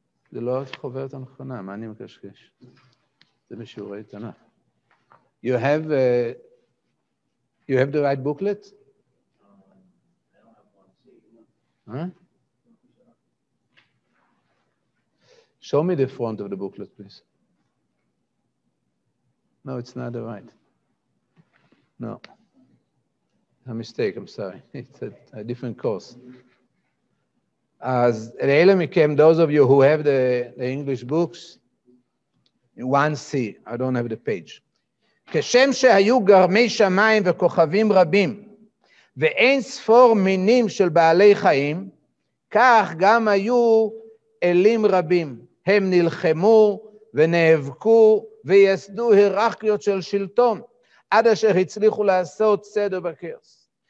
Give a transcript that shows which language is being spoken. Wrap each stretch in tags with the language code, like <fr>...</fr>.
<he>זה לא חוברת הנכונה, מה אני מקשקש? זה משיעורי תנ"ך.</he> <en>You have the right booklet? Show me the front of the booklet, please. No, it's not the right. No. A mistake, I'm sorry. It's a different course. As Leila became, those of you who have the English books, 1C, I don't have the page.</en> <he>כשם שהיו גרמי שמיים וכוכבים רבים, ואין ספור מינים של בעלי חיים, כך גם היו אלים רבים. הם נלחמו ונאבקו ויסדו היררכיות של שלטון, עד אשר הצליחו לעשות סדר בכאוס.</he>